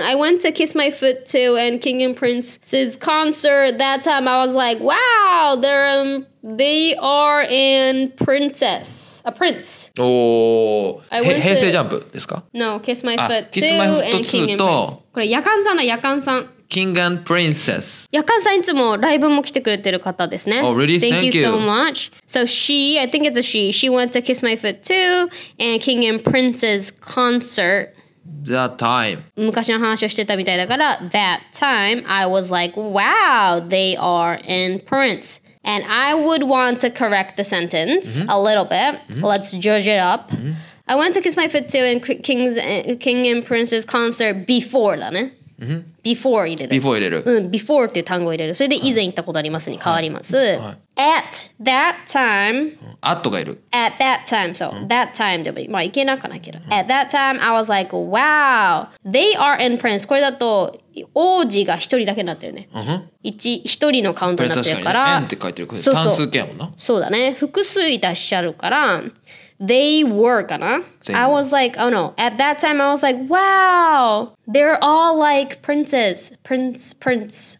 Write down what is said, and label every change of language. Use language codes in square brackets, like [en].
[en] I went to Kiss My Foot 2 and King and Prince's concert. That time I was like, wow, they are an princess. A prince. Oh, Heisei Jump? No, Kiss My Foot 2 and King and Prince. [ja] これ、やかんさんだ、やかんさん。 [en] King and Princess. [ja] やかんさんいつもライブも来てくれてる方ですね。 [en] Oh, really? Thank you so much. So she, I think it's a she. She went to Kiss My Foot 2 and King and Prince's concert. That time. [ja] 昔の話をしてたみたいだから [en] That time, I was like, wow, they are in Prince. And I would want to correct the sentence、mm-hmm. a little bit.、Mm-hmm. Let's judge it up.、Mm-hmm. I went to Kiss My Foot 2 and King and Prince's concert before だね。 Mm-hmm. [ja] Before 入れる。 Before 入れる。うん、before っていう単語入れる。それで以前行ったことありますに変わります。はい、 [en] at that time. [ja] At がいる。 [en] At that time. So,、うん、that time でも、 [ja] まあ行けなくないけど、 [en] うん。 At that time, I was like, wow, they are in Prince. [ja] これだと、王子が一人だけになってるね。うん、一人のカウントになってるから。確かに、ね、って書いてる。そうそう。単数形やもんな。そうだね。複数いたっしゃるから。 [en] They were, かな?I was like, oh no. At that time, I was like, wow. They're all like princes. Prince.